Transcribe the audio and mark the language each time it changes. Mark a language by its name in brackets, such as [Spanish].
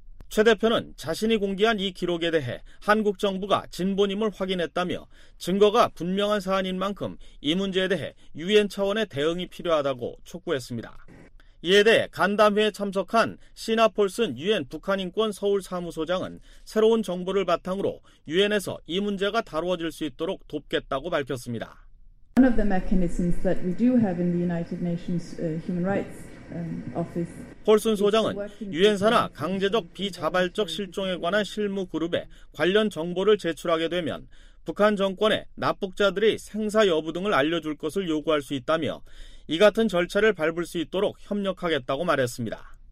[Korean] 최 대표는 자신이 공개한 이 기록에 대해 한국 정부가 진본임을 확인했다며 증거가 분명한 사안인 만큼 이 문제에 대해 유엔 차원의 대응이 필요하다고 촉구했습니다. 이에 대해 간담회에 참석한 시나 폴슨 유엔 북한인권 서울사무소장은 새로운 정보를 바탕으로 유엔에서 이 문제가 다루어질 수 있도록 돕겠다고 밝혔습니다. [English] One of the mechanisms that we do have in the United Nations Human Rights Office. [Korean] 폴슨 소장은 유엔사나 강제적 비자발적 실종에 관한 실무 그룹에 관련 정보를 제출하게 되면 북한 정권에 납북자들의 생사 여부 등을 알려줄 것을 요구할 수 있다며 이 같은 절차를 밟을 수 있도록 협력하겠다고 말했습니다.